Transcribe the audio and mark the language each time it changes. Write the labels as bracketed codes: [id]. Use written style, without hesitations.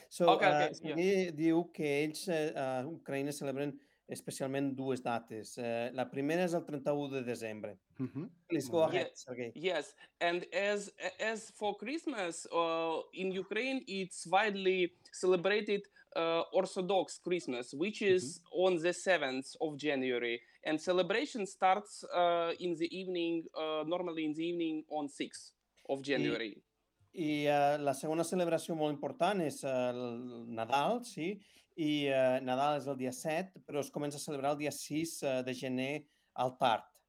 [ca] So, diu que ells a Ucraïna celebren especialment dues dates. La primera és el 31 de desembre. [en] Mm-hmm. Please go ahead, Sergei. Yes, and as for Christmas, in Ukraine, it's widely celebrated Orthodox Christmas, which is on the 7th of January. And celebration starts in the evening, normally in the evening on 6th of January. [ca] I la segona celebració molt important és el Nadal, sí? I Nadal és el dia 7, però es comença a celebrar el dia 6 de gener al tard.